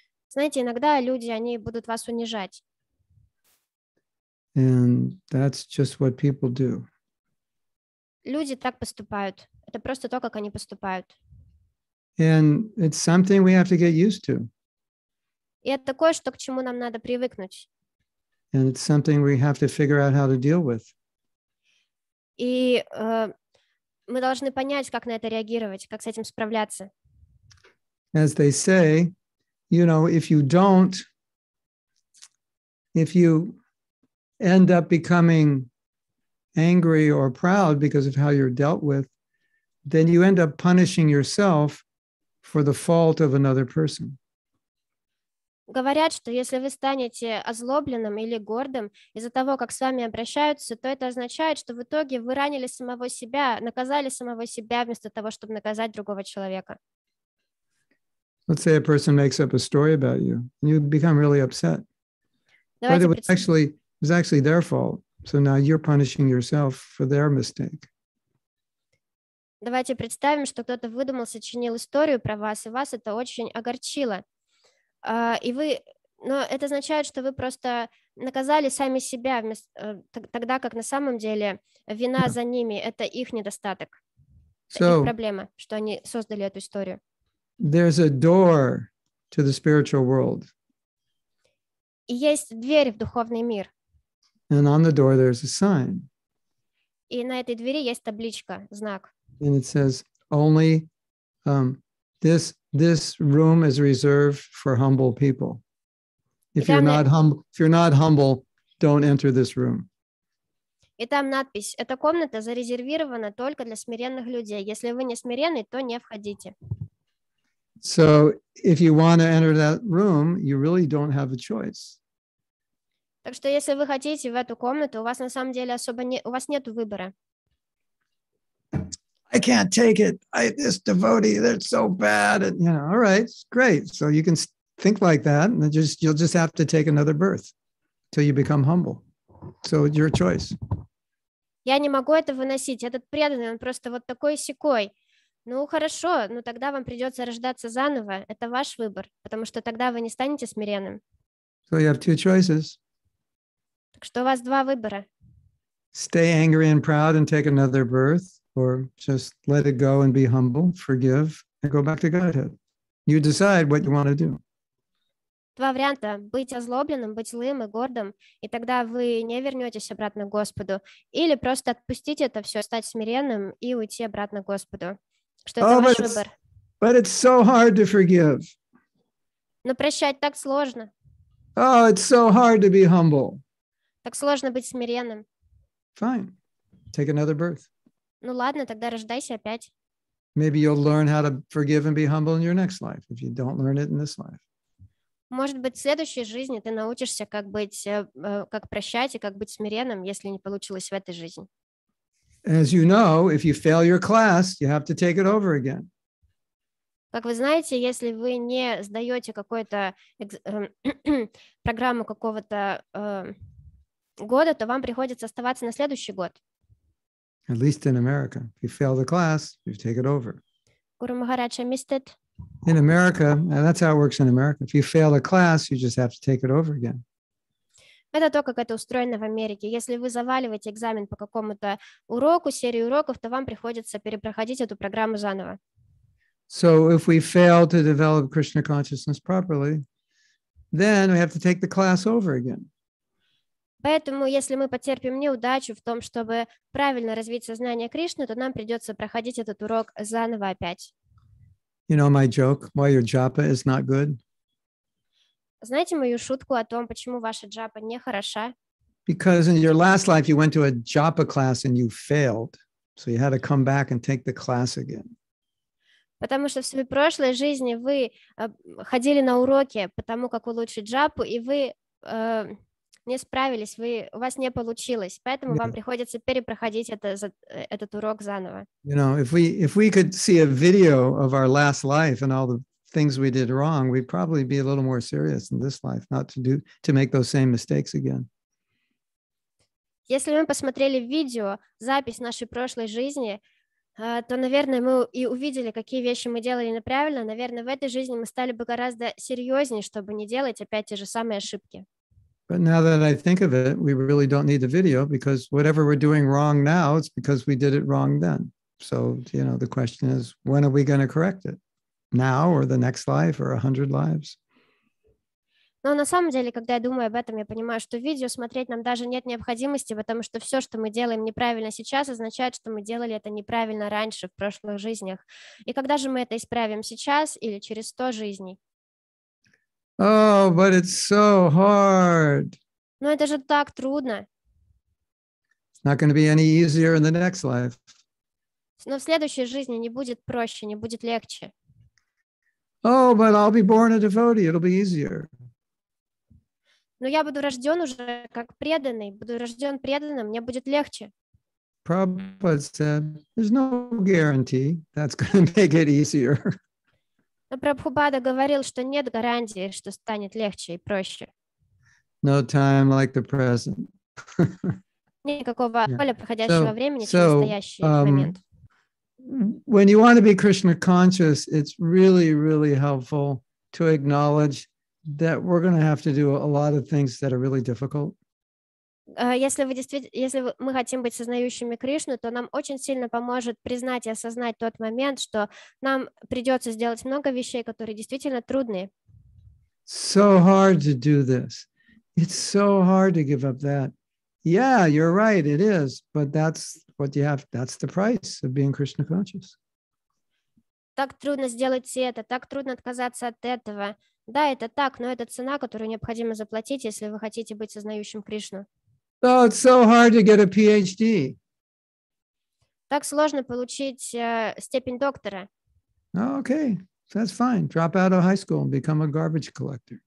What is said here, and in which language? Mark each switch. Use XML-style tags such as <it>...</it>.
<ru>Знаете, иногда люди, они будут вас унижать.</ru> <en>And that's just what people do.</en> <ru>Люди так поступают. Это просто то, как они поступают.</ru> <en>And it's something we have to get used to.</en> <ru>И это такое, что к чему нам надо привыкнуть.</ru> <en>And it's something we have to figure out how to deal with.</en> <ru>И мы должны понять, как на это реагировать, как с этим справляться.</ru> <en>As they say, you know, if you end up becoming angry or proud because of how you're dealt with, then you end up punishing yourself for the fault of another person.</en> <ru>Говорят, что если вы станете озлобленным или гордым из-за того, как с вами обращаются, то это означает, что в итоге вы ранили самого себя, наказали самого себя вместо того, чтобы наказать другого человека.</ru> <en>Let's say a person makes up a story about you, and you become really upset.</en> <ru>Давайте</ru> <en>But it was actually their fault, so now you're punishing yourself for their mistake.</en> <ru>Давайте представим, что кто-то выдумал, сочинил историю про вас, и вас это очень огорчило. Но это означает, что вы просто наказали сами себя, тогда как на самом деле вина за ними — это их недостаток, их проблема, что они создали эту историю.</ru> <en>There's a door to the spiritual world.</en> <ru>И есть дверь в духовный мир.</ru> <en>And on the door there's a sign.</en> <ru>И на этой двери есть табличка, знак.</ru> <en>And it says only this room is reserved for humble people. If you're not humble, don't enter this room.</en> <ru>И там надпись: эта комната зарезервирована только для смиренных людей. Если вы не смиренный, то не входите.</ru> <en>So if you want to enter that room, you really don't have a choice.</en> <ru>Так что если вы хотите в эту комнату, у вас на самом деле особо не у вас нет выбора.</ru> <en>I can't take it. This devotee, they're so bad. And, you know, all right, great. So you can think like that, and you'll just have to take another birth till you become humble. So it's your choice.</en> <ru>Я не могу это выносить. Этот преданный, он просто вот такой сякой. Ну, хорошо, но тогда вам придется рождаться заново. Это ваш выбор, потому что тогда вы не станете смиренным.</ru> <en>So you have two choices.</en> <ru>Так что у вас два выбора.</ru> <en>Stay angry and proud and take another birth, or just let it go and be humble, forgive, and go back to Godhead. You decide what you want to do.</en> <ru>Два варианта. Быть озлобленным, быть злым и гордым, и тогда вы не вернетесь обратно к Господу. Или просто отпустить это все, стать смиренным и уйти обратно к Господу. Что это ваш выбор.</ru> <en>But it's so hard to forgive.</en> <ru>Но прощать так сложно.</ru> <en>Oh, it's so hard to be humble.</en> <ru>Так сложно быть смиренным.</ru> <en>Fine. take another birth.</en> <ru>Ну ладно, тогда рождайся опять.</ru> <en>Maybe you'll learn how to forgive and be humble in your next life if you don't learn it in this life.</en> <ru>Может быть, в следующей жизни ты научишься как быть, как прощать и как быть смиренным, если не получилось в этой жизни.</ru> <en>As you know, if you fail your class, you have to take it over again.</en> <ru>Как вы знаете, если вы не сдаете какую-то программу какого-то года, то вам приходится оставаться на следующий год.</ru> <en>At least in America, if you fail the class, you take it over. Guru Maharaj, I missed it. In America, and that's how it works in America. If you fail a class, you just have to take it over again.</en> <ru>Это то, как это устроено в Америке. Если вы заваливаете экзамен по какому-то уроку, серии уроков, то вам приходится перепроходить эту программу заново.</ru> <en>So if we fail to develop Krishna consciousness properly, then we have to take the class over again.</en> <ru>Поэтому, если мы потерпим неудачу в том, чтобы правильно развить сознание Кришны, то нам придется проходить этот урок заново опять.</ru> <en>You know my joke, why your japa is not good?</en> <ru>Знаете мою шутку о том, почему ваша джапа не хороша?</ru> <en>Because in your last life you went to a japa class and you failed, so you had to come back and take the class again.</en> <ru>Потому что в своей прошлой жизни вы ходили на уроки по тому, как улучшить джапу, и вы не справились, у вас не получилось. Поэтому вам приходится перепроходить этот урок заново.</ru> <en>You know, if we could see a video of our last life and all the things we did wrong, we'd probably be a little more serious in this life, not to make those same mistakes again.</en> <ru>Если мы посмотрели видео, запись нашей прошлой жизни, то, наверное, мы и увидели, какие вещи мы делали неправильно. Наверное, в этой жизни мы стали бы гораздо серьезнее, чтобы не делать опять те же самые ошибки.</ru> <en>But now that I think of it, we really don't need the video, because whatever we're doing wrong now, it's because we did it wrong then. So, you know, the question is, when are we going to correct it? Now or the next life or 100 lives?</en> <ru>Но на самом деле, когда я думаю об этом, я понимаю, что видео смотреть нам даже нет необходимости, потому что все, что мы делаем неправильно сейчас, означает, что мы делали это неправильно раньше, в прошлых жизнях. И когда же мы это исправим, сейчас или через 100 жизней?</ru> <en>Oh, but it's so hard.</en> <ru>Но это же так трудно.</ru> <en>It's not going to be any easier in the next life.</en> <ru>Но в следующей жизни не будет проще, не будет легче.</ru> <en>Oh, but I'll be born a devotee. It'll be easier.</en> <ru>Но я буду рожден уже как преданный, буду рожден преданным, мне будет легче.</ru> <en>Prabhupada said, there's no guarantee that's going to make it easier.</en> <ru>Но Прабхупада говорил, что нет гарантии, что станет легче и проще.</ru> <en>No time like the present.</en> <ru>Никакого поля проходящего времени, чем настоящий момент.</ru> <en>When you want to be Krishna conscious, it's really, really helpful to acknowledge that we're going to have to do a lot of things that are really difficult.</en> <ru>Если мы хотим быть сознающими Кришну, то нам очень сильно поможет признать и осознать тот момент, что нам придется сделать много вещей, которые действительно трудные.</ru> <en>So hard to do this. It's so hard to give up that. Yeah, you're right, it is, but that's what you have, that's the price of being Krishna conscious.</en> <ru>Так трудно сделать все это, так трудно отказаться от этого. Да, это так, но это цена, которую необходимо заплатить, если вы хотите быть сознающим Кришну.</ru> <en>Oh, it's so hard to get a PhD.</en> <ru>Так сложно получить степень доктора.</ru> <en>Oh, okay, that's fine. Drop out of high school and become a garbage collector.</en>